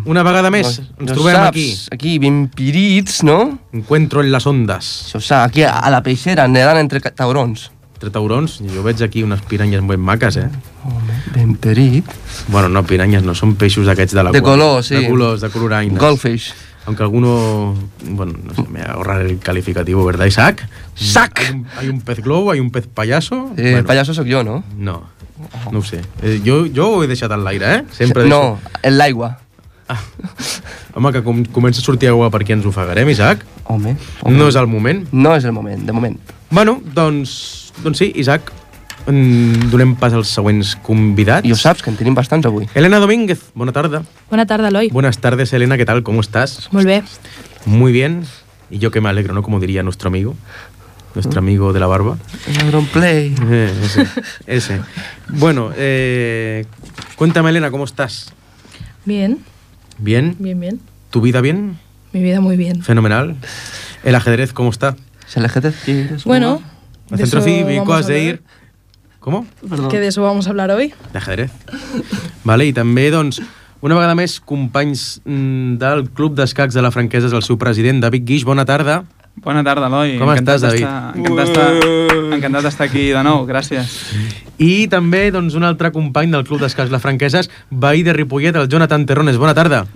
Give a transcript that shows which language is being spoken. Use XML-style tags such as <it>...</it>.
<ca>Una vegada més, ens trobem saps, aquí ben pirits, no?</ca> <es>Encuentro en las ondas.</es> <ca>Això ho aquí a la peixera, nedant entre taurons. Entre taurons? Jo veig aquí unes piranyes ben maques, eh? Home, ben pirit. Bueno, no, piranyes no, són peixos d'aquests de l'aigua. De color, sí. De colors, de coloraines.</ca> <en>Goldfish.</en> <es>Aunque alguno... Bueno, no sé, me ahorra el calificativo, ¿verdad, Isaac? ¡Sac! Hay un pez globo, hay un pez payaso. Bueno, payaso</es> <ca>soc jo, no? No. No ho sé, jo ho he deixat en l'aire, eh? Sempre no, en l'aigua. Home, que comença a sortir aigua, per què ens ofegarem, Isaac? Home, no és el moment. No és el moment, de moment. Bueno, doncs sí, Isaac, donem pas als següents convidats. I ho saps, que en tenim bastants avui. Elena Domínguez, bona tarda. Bona tarda, Eloi.</ca> <es>Buenas tardes, Elena, ¿qué tal? ¿Cómo estás?</es> <ca>Molt bé.</ca> <es>Muy bien, y yo que me alegro, ¿no? Como diría nuestro amigo. Nuestro amigo de la barba. Ladrón Play. Ese. Bueno, cuéntame, Elena, ¿cómo estás? Bien. ¿Bien? Bien, bien. ¿Tu vida bien? Mi vida muy bien. Fenomenal. ¿El ajedrez cómo está? ¿El ajedrez? Bueno, al centro cívico has de ir. ¿Cómo? Perdón. Que de eso vamos a hablar hoy. De ajedrez.</es> <ca>Vale, y también, doncs, una vegada més, companys del Club d'Escacs de la Franquesa, el seu president, David Guix, bona tarda. Bona tarda, Eloi. Com estàs, David? Encantat d'estar aquí de nou, gràcies. I també, doncs, un altre company del Club d'Escacs La Franqueses, veí de Ripollet, el Jonathan Terrones. Bona tarda.</ca>